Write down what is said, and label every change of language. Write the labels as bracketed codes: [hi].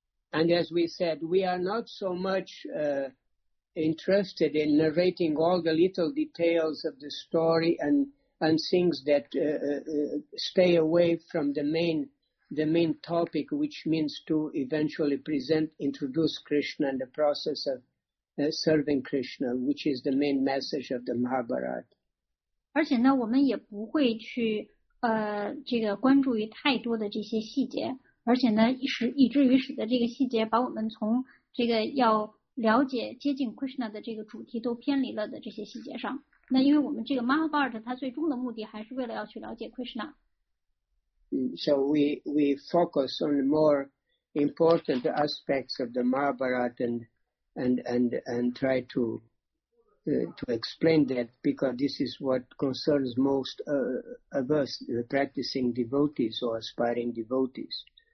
[en] And as we said, we are not so much interested in narrating all the little details of the story and things that stay away from the main topic, which means to eventually introduce Krishna and the process of serving Krishna, which is the main message of the Mahabharata. [zh] 而且呢，我们也不会去这个关注于太多的这些细节。而且呢，以至于使得这个细节把我们从这个要了解接近 Krishna 的这个主题都偏离了的这些细节上。那因为我们这个 Mahabharata 它最终的目的还是为了要去了解 Krishna。 [en] So we focus on more important aspects of the Mahabharata and try to explain that because this is what concerns most of us, the practicing devotees or aspiring devotees.